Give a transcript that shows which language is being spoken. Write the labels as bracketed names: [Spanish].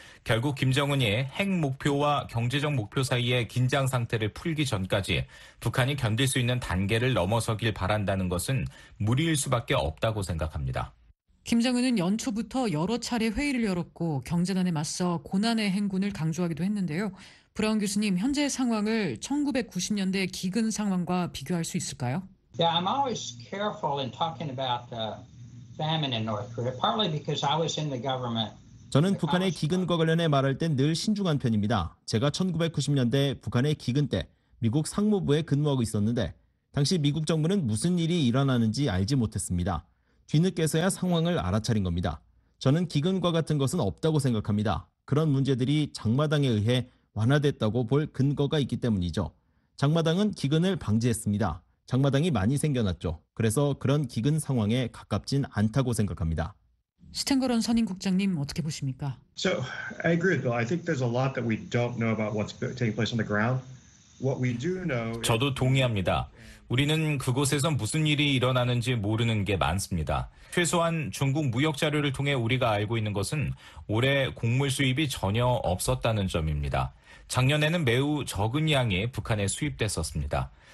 [Korean] 결국 김정은이 핵 목표와 경제적 목표 사이의 긴장 상태를 풀기 전까지 북한이 견딜 수 있는 단계를 넘어서길 바란다는 것은 무리일 수밖에 없다고 생각합니다. 김정은은 연초부터 여러 차례 회의를 열었고 경제난에 맞서 고난의 행군을 강조하기도 했는데요. 브라운 교수님, 현재 상황을 1990년대 기근 상황과 비교할 수 있을까요? [English] Yeah, I'm always careful in talking about famine in North Korea, partly because I was in the government. [Korean] 저는 북한의 기근과 관련해 말할 땐 늘 신중한 편입니다. 제가 1990년대 북한의 기근 때 미국 상무부에 근무하고 있었는데 당시 미국 정부는 무슨 일이 일어나는지 알지 못했습니다. 뒤늦게서야 상황을 알아차린 겁니다. 저는 기근과 같은 것은 없다고 생각합니다. 그런 문제들이 장마당에 의해 완화됐다고 볼 근거가 있기 때문이죠. 장마당은 기근을 방지했습니다. 장마당이 많이 생겨났죠. 그래서 그런 기근 상황에 가깝진 않다고 생각합니다. 스탠거런 선임 국장님 어떻게 보십니까? [English] So I agree with Bill. I think there's a lot that we don't know about what's taking place on the ground. What we do know. [Korean] 저도 동의합니다. 우리는 그곳에서 무슨 일이 일어나는지 모르는 게 많습니다. 최소한 중국 무역 자료를 통해 우리가 알고 있는 것은 올해 곡물 수입이 전혀 없었다는 점입니다. 작년에는 매우 적은 양이 북한에 수입됐었습니다.